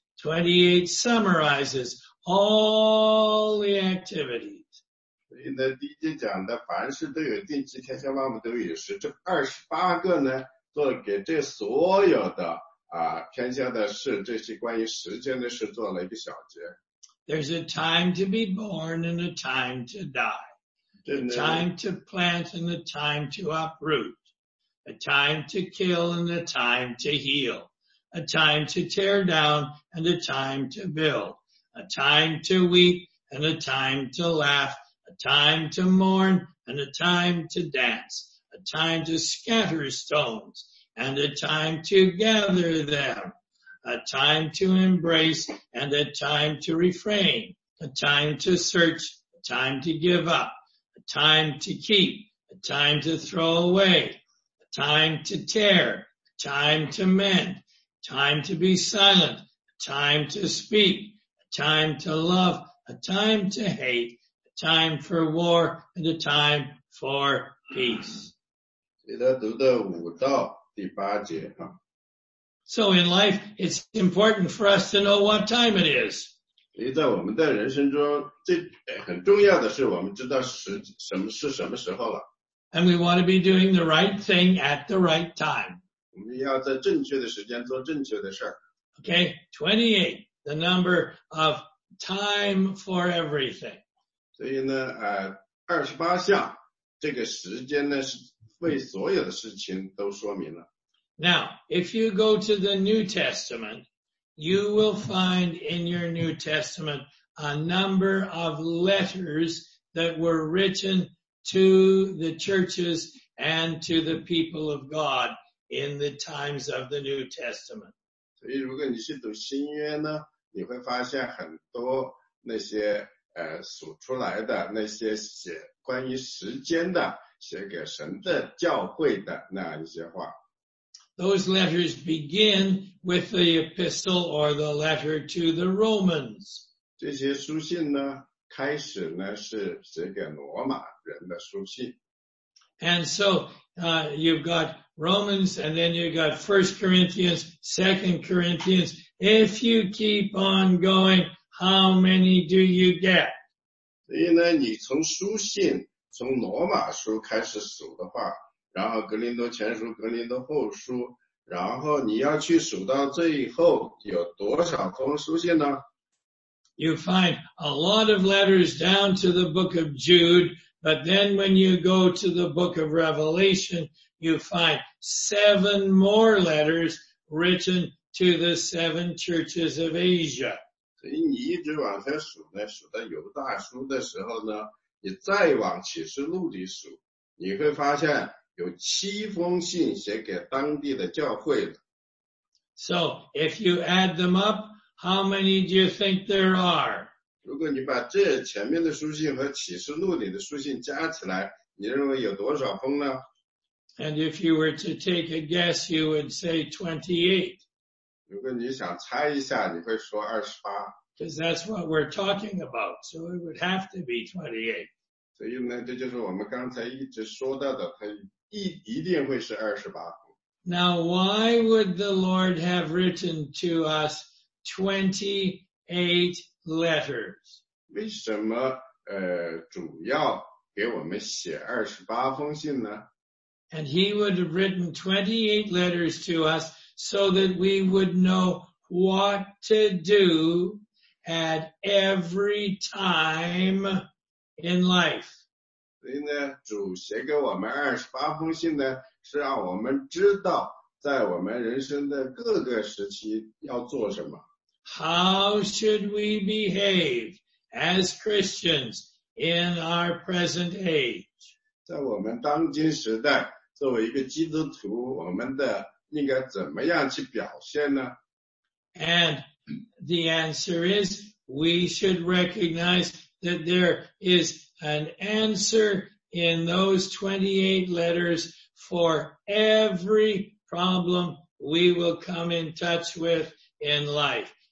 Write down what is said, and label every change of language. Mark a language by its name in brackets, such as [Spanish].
[English] 28 summarizes all the activities. [Chinese] 所以呢，第一节讲的凡事都有定期，天下万物都有时。这28个呢，做给这所有的啊，天下的事，这些关于时间的事，做了一个小结。 [English] There's a time to be born and a time to die. A time to plant and a time to uproot. A time to kill and a time to heal. A time to tear down and a time to build. A time to weep and a time to laugh. A time to mourn and a time to dance. A time to scatter stones. And a time to gather them, a time to embrace, and a time to refrain, a time to search, a time to give up, a time to keep, a time to throw away, a time to tear, a time to mend, a time to be silent, a time to speak, a time to love, a time to hate, a time for war, and a time for peace. [Chinese] 记得读的五道第八节啊。 [English] So in life, it's important for us to know what time it is. [Chinese] 所以在我们的人生中，这很重要的是我们知道时什么是什么时候了。 [English] And we want to be doing the right thing at the right time. [Chinese] 我们要在正确的时间做正确的事儿。 [English] Okay, 28, the number of time for everything. [Chinese] 所以呢，28项，这个时间呢是。为所有的事情都说明了。 [English] Now, if you go to the New Testament, you will find in your New Testament a number of letters that were written to the churches and to the people of God in the times of the New Testament. [Chinese] 所以如果你去读新约呢，你会发现很多那些数出来的那些写关于时间的写给神的教会的那一些话。 [English] Those letters begin with the epistle or the letter to the Romans. [Chinese] 这些书信呢，开始呢是写给罗马人的书信。 [English] And so, you've got Romans and then you've got 1 Corinthians, 2 Corinthians. If you keep on going, how many do you get? [Chinese] 所以呢，你从书信从罗马书开始数的话，然后格林多前书、格林多后书，然后你要去数到最后有多少封书信呢？ [English] You find a lot of letters down to the book of Jude, but then when you go to the book of Revelation, you find 7 more letters written to the 7 churches of Asia. [Chinese] 所以你一直往下数呢，数到犹大书的时候呢，你再往启示录里数，你会发现有7封信写给当地的教会了。 [English] So, if you add them up, how many do you think there are? [Chinese] 如果你把这前面的书信和启示录里的书信加起来，你认为有多少封呢？ [English] And if you were to take a guess, you would say 28. [Chinese] 如果你想猜一下，你会说28。 [English] Because that's what we're talking about, so it would have to be 28. [Chinese] 所以呢，这就是我们刚才一直说到的，它一定会是28。 [English] Now, why would the Lord have written to us 28 letters? [Chinese] 为什么主要给我们写28封信呢？ [English] And he would have written 28 letters to us so that we would know what to do at every time in life. [Chinese] 所以呢，主写给我们28封信呢，是让我们知道在我们人生的各个时期要做什么。 [English] How should we behave as Christians in our present age? [Chinese] 在我们当今时代，作为一个基督徒，我们的应该怎么样去表现呢？ [English] And the answer is, we should recognize that there is an answer in those 28 letters for every problem we will come in touch with in life.